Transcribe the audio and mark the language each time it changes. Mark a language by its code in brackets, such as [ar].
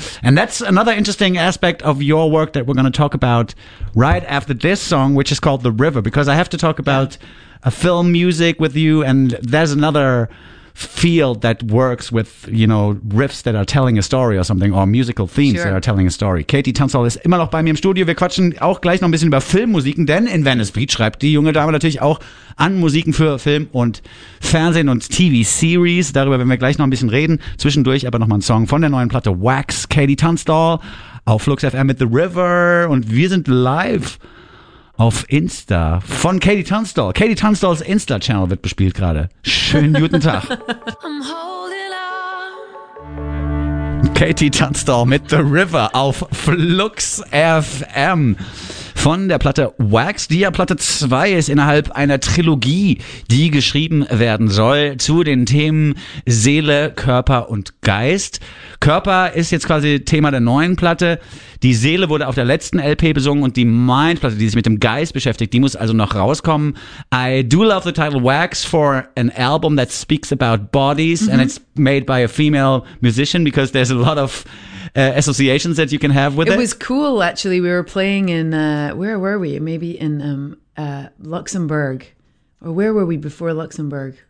[en] And that's another interesting aspect of your work that we're going to talk about right after this song, which is called The River, because I have to talk about a film music with you. And there's another field that works with, you know, riffs that are telling a story or something, or musical themes that are telling a story. [de] Katie Tunstall ist immer noch bei mir im Studio. Wir quatschen auch gleich noch ein bisschen über Filmmusiken, denn in Venice Beach schreibt die junge Dame natürlich auch an Musiken für Film und Fernsehen und TV-Series. Darüber werden wir gleich noch ein bisschen reden. Zwischendurch aber nochmal ein Song von der neuen Platte Wax, Katie Tunstall auf Flux FM mit The River. Und wir sind live auf Insta von Katie Tunstall. Katie Tunstalls Insta-Channel wird bespielt gerade. Schönen guten Tag. Katie Tunstall mit The River auf Flux FM von der Platte Wax, die ja Platte 2 ist, innerhalb einer Trilogie, die geschrieben werden soll zu den Themen Seele, Körper und Geist. Körper ist jetzt quasi Thema der neuen Platte. Die Seele wurde auf der letzten LP besungen und die Mind-Platte, die sich mit dem Geist beschäftigt, die muss also noch rauskommen. [en] I do love the title Wax for an album that speaks about bodies and it's made by a female musician, because there's a lot of associations that you can have with it. It was cool, actually. We were playing in, where were we? Maybe in Luxembourg. Or where were we before Luxembourg?